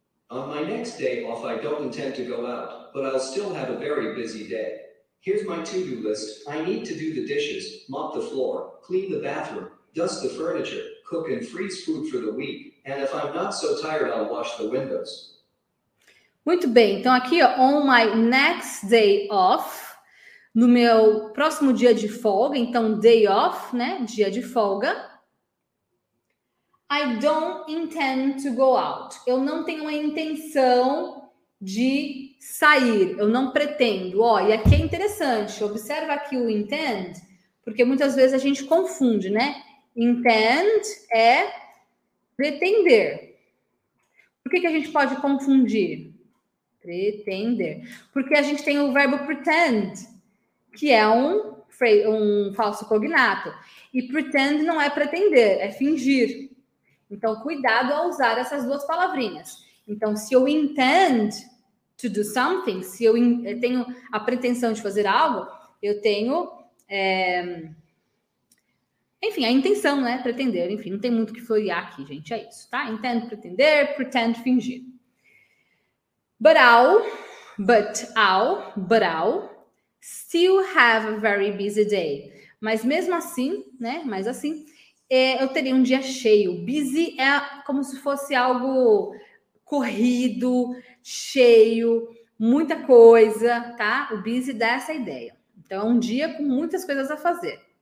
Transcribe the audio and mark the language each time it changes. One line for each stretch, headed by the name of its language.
English: On my next day off, I don't intend to go out, but I'll still have a very busy day. Here's my to-do list. I need to do the dishes, mop the floor, clean the bathroom, dust the furniture, cook and freeze food for the week. And if I'm not so tired, I'll wash the windows.
Portuguese: Muito bem. Então aqui, ó,
English: on my next day off,
Portuguese: no meu próximo dia de folga, então day off, né? Dia de folga.
English: I don't intend to go out.
Portuguese: Eu não tenho a intenção de sair. Eu não pretendo. Ó, e aqui é interessante. Observa aqui o intend, porque muitas vezes a gente confunde, né? Intend é pretender. Por que que a gente pode confundir? Pretender. Porque a gente tem o verbo pretend, que é um falso cognato. E pretend não é pretender, é fingir. Então, cuidado ao usar essas duas palavrinhas. Então, se eu
English: intend to do something,
Portuguese: se eu tenho a pretensão de fazer algo, eu tenho, enfim, a intenção, né? Pretender, enfim, não tem muito o que florear aqui, gente, é isso, tá? Intend, pretender, pretend, fingir.
English: But I'll still have a very busy day.
Portuguese: Mas mesmo assim, né? Mas assim, eu teria um dia cheio. Busy é como se fosse algo corrido, cheio, muita coisa, tá? O busy dá essa ideia. Então, é um dia com muitas coisas a fazer.